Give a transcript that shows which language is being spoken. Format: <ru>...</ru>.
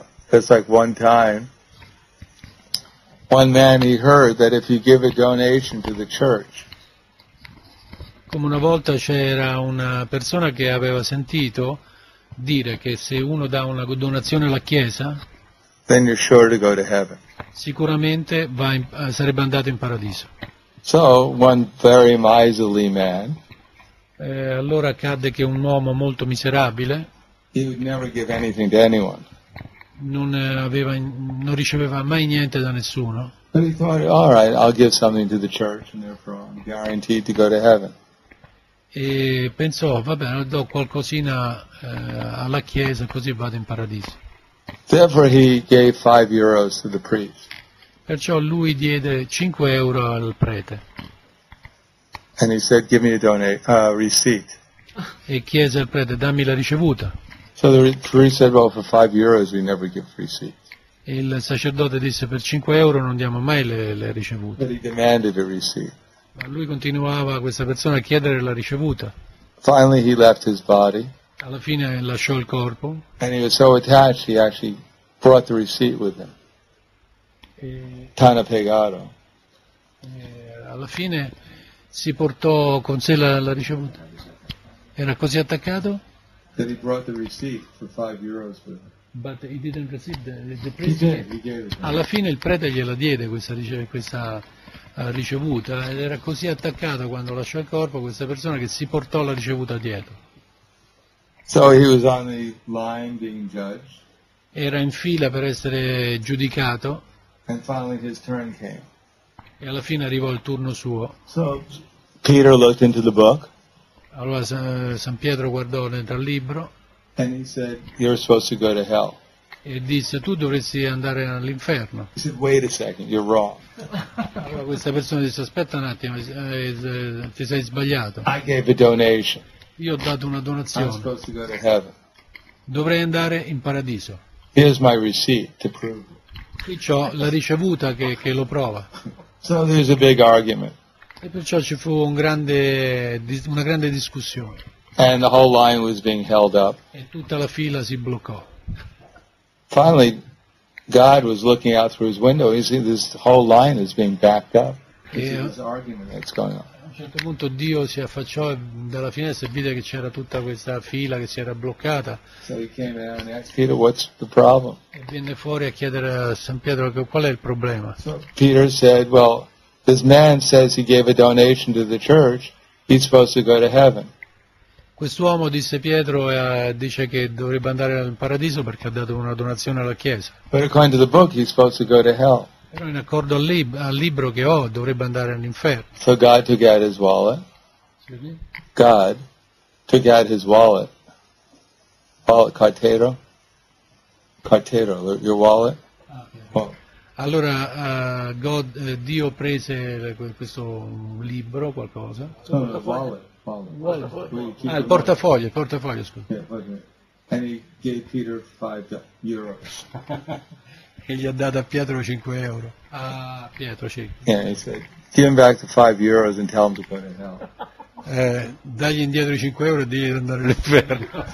<en>It's like one time, one man he heard that if you give a donation to the church.</en> <it>Come una volta c'era una persona che aveva sentito dire che se uno dà una donazione alla chiesa,</it> <en>then you're sure to go to heaven.</en> <it>Sicuramente sarebbe andato in paradiso.</it> <en>So one very miserly man.</en> <it>Allora accadde che un uomo molto miserabile.</it> <en>He would never give anything to anyone.</en> <it>Non riceveva mai niente da nessuno.</it> <en>But he thought, all right, I'll give something to the church and therefore I'm guaranteed to go to heaven.</en> <it>E pensò, va bene, do qualcosina alla chiesa, così vado in paradiso.</it> <en>Therefore he gave 5 euros to the priest.</en> <it>Perciò lui diede 5 euro al prete.</it> <en>And he said, give me a receipt.</en> <it>E chiese al prete, dammi la ricevuta.</it> <en>So the priest said, well, for 5 euros we never give receipts.</en> <it>Il sacerdote disse, per 5 euro non diamo mai le ricevute.</it> <en>But he demanded a receipt.</en> <it>Ma lui continuava, questa persona, a chiedere la ricevuta.</it> <en>Finally he left his body.</en> <it>Alla fine lasciò il corpo.</it> <en>And he was so attached he actually brought the receipt with him. Tana pegato.</en> <it>Alla fine si portò con sé la ricevuta. Era così attaccato?</it> <en>That he brought the receipt for 5 euros with him. But he didn't receive the priest. He did. He gave it.</en> <it>Alla fine il prete gliela diede questa ricevuta ed era così attaccato quando lasciò il corpo questa persona che si portò la ricevuta dietro.</it> <en>So he was on the line being judged.</en> <it>Era in fila per essere giudicato.</it> <en>And finally his turn came.</en> <it>E alla fine arrivò il turno suo.</it> <en>So Peter looked into the book.</en> <it>Allora San Pietro guardò dentro al libro</it> <en>and he said, you're supposed to go to hell.</en> <it>e disse: tu dovresti andare all'inferno.</it> <en>He said, wait a second, you're wrong.</en> <it>Allora questa persona disse: aspetta un attimo, ti sei sbagliato.</it> <en>I gave a donation.</en> <it>Io ho dato una donazione.</it> <en>I'm supposed to go to heaven.</en> <it>Dovrei andare in paradiso.</it> <en>Here's my receipt to prove.</en> <it>Qui c'ho la ricevuta che lo prova.</it> <en>So there's a big argument.</en> <it>E perciò ci fu una grande discussione.</it> <en>And the whole line was being held up.</en> <it>E tutta la fila si bloccò.</it> <en>Finally, God was looking out through His window. He said, "This whole line is being backed up." There's an argument that's going on.</en> <it>A un certo punto Dio si affacciò dalla finestra e vide che c'era tutta questa fila che si era bloccata.</it> <en>So he came out and asked Peter, "What's the problem?"</en> <it>E venne fuori a chiedere a San Pietro qual è il problema.</it> <en>So Peter said, "Well, this man says he gave a donation to the church. He's supposed to go to heaven."</en> <it>Quest'uomo, disse Pietro, dice che dovrebbe andare al paradiso perché ha dato una donazione alla Chiesa.</it> <en>But according to the book, he's supposed to go to hell.</en> <it>Però in accordo al libro che ho, dovrebbe andare all'inferno.</it> <en>So God took out his wallet. Excuse me? God took out his wallet. Wallet, cartero? Cartero, your wallet? Okay.</en> <it>Allora, Dio prese questo libro, qualcosa.</it> <en>So no, the wallet.</en> <it>Il portafoglio, il portafoglio, scusa.</it> <en>Yeah, and he gave Peter 5 euros.</en> <it>E gli ha dato a Pietro 5 euro. A Pietro, sì.</it> <en>Yeah, he said, give him back the 5 euros and tell him to go to hell.</en> <it>Dagli indietro i 5 euro e digli di andare all'inferno.</it>